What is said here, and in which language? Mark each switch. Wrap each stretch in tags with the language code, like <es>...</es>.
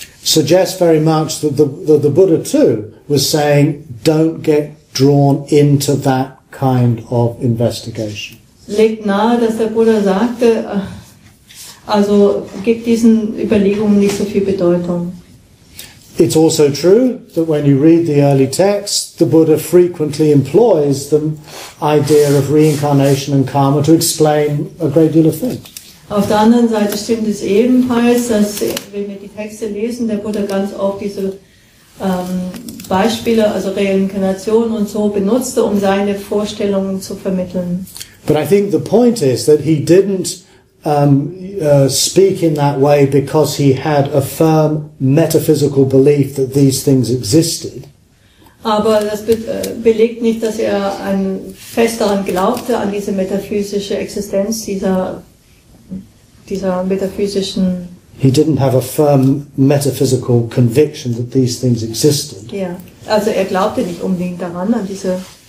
<en>suggests very much that the Buddha too was saying, don't get drawn into that kind of investigation.</en> <de>Legt nahe, dass der Buddha sagte, also gibt diesen Überlegungen nicht so viel Bedeutung.</de> <en>It's also true that when you read the early texts, the Buddha frequently employs the idea of reincarnation and karma to explain a great deal of things.</en> <de>Auf der anderen Seite stimmt es ebenfalls, dass wenn wir die Texte lesen, der Buddha ganz oft diese Beispiele, also Reinkarnation und so, benutzte, um seine Vorstellungen zu vermitteln.</de> <en>But I think the point is that he didn't speak in that way because he had a firm metaphysical belief that these things existed.</en> <de>Aber das belegt nicht, dass er fest daran glaubte, an diese metaphysische Existenz dieser metaphysischen.</de> <en>He didn't have a firm metaphysical conviction that these things existed.</en> <de>Ja, also er glaubte nicht unbedingt daran, an diese.</de>